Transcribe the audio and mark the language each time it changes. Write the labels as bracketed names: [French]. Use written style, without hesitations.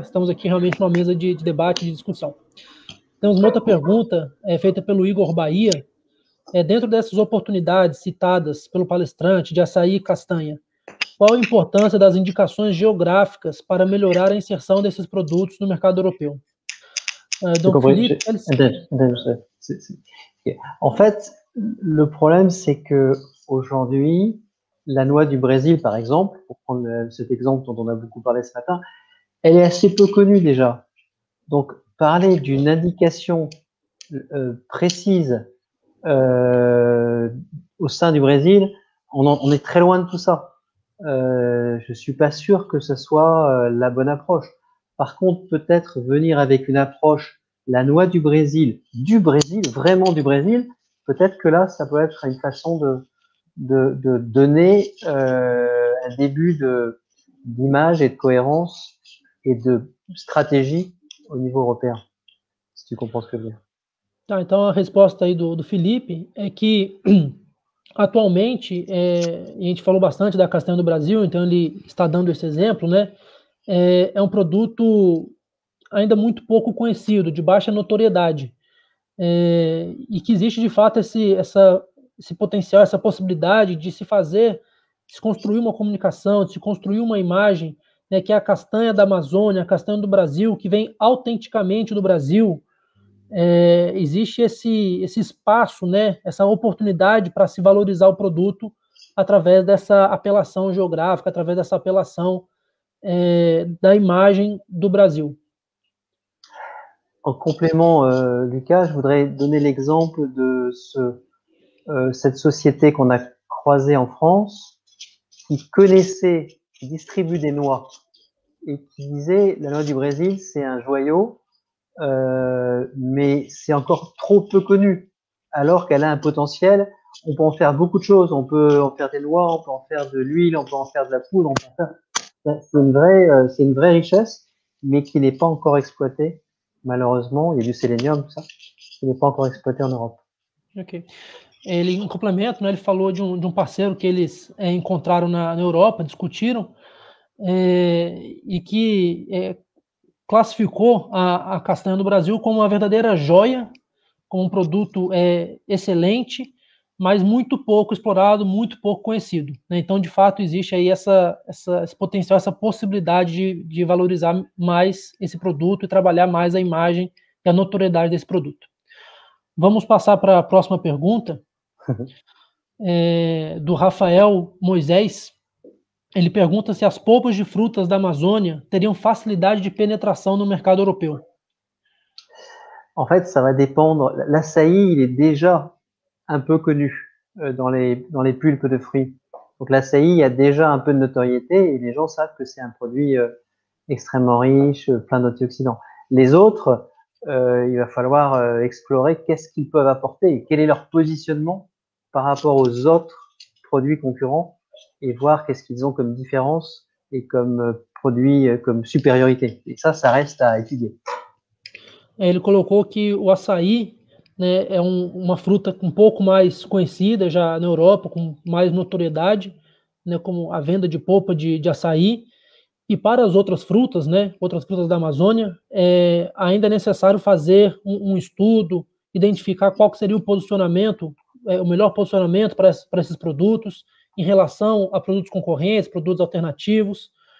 [Portuguese] Estamos aqui realmente numa mesa de debate, de discussão. Temos uma outra pergunta, feita pelo Igor Bahia. Dentro dessas oportunidades citadas pelo palestrante de açaí e castanha, qual a importância das indicações geográficas para melhorar a inserção desses produtos no mercado europeu? [French] En fait, le problème, c'est que aujourd'hui, la noix du Brésil, par exemple, pour prendre cet exemple dont on a beaucoup parlé ce matin, elle est assez peu connue déjà. Donc, parler d'une indication précise au sein du Brésil, on est très loin de tout ça. Je ne suis pas sûr que ce soit la bonne approche. Par contre, peut-être venir avec une approche, la noix du Brésil, vraiment du Brésil, peut-être que là, ça peut être une façon de donner un début d'image et de cohérence et de stratégie au niveau européen, si tu comprends ce que je veux dire. [Portuguese] Então, a resposta aí do Felipe é que, atualmente, a gente falou bastante da castanha do Brasil, então ele está dando esse exemplo, né? É um produto ainda muito pouco conhecido, de baixa notoriedade, e que existe, de fato, esse potencial, essa possibilidade de se fazer, de se construir uma comunicação, de se construir uma imagem, né, que é a castanha da Amazônia, a castanha do Brasil, que vem autenticamente do Brasil. Existe esse espaço, né, essa oportunidade para se valorizar o produto através dessa apelação geográfica, através dessa apelação da imagem do Brasil. [French] En complément, Lucas, je voudrais donner l'exemple de cette société qu'on a croisée en France, qui connaissait, qui distribue des noix, et qui disait, la noix du Brésil, c'est un joyau, mais c'est encore trop peu connu, alors qu'elle a un potentiel, on peut en faire beaucoup de choses, on peut en faire des noix, on peut en faire de l'huile, on peut en faire de la poudre, on peut en faire... C'est une vraie richesse, mais qui n'est pas encore exploitée malheureusement, il y a du sélénium, ça. Il n'est pas encore exploité en Europe. Ok. [Portuguese] Ele, em complemento, né, ele falou de um parceiro que eles encontraram na Europa, discutiram, e que classificou a castanha do Brasil como uma verdadeira joia, como um produto excelente, mas muito pouco explorado, muito pouco conhecido. Né? Então, de fato, existe aí esse potencial, essa possibilidade de valorizar mais esse produto e trabalhar mais a imagem e a notoriedade desse produto. Vamos passar para a próxima pergunta. Do Rafael Moisés, ele pergunta se as polpas de frutas da Amazônia teriam facilidade de penetração no mercado europeu. [French] En fait, ça va dépendre. L'açaí, il est déjà un peu connu dans les pulpes de fruits. Donc l'açaí a déjà un peu de notoriété et les gens savent que c'est un produit extrêmement riche, plein d'antioxydants. Les autres, il va falloir explorer qu'est-ce qu'ils peuvent apporter et quel est leur positionnement par rapport aux autres produits concurrents et voir qu'est-ce qu'ils ont comme différence et comme produit, comme supériorité. Et ça, ça reste à étudier. [Portuguese] Ele colocou que o açaí, né, é uma fruta um pouco mais conhecida já na Europa, com mais notoriedade, né, como a venda de polpa de açaí. E para as outras frutas, né, outras frutas da Amazônia, ainda é necessário fazer um estudo, identificar qual que seria o posicionamento, o melhor posicionamento para esses produtos em relação a produtos concorrentes, produtos alternativos.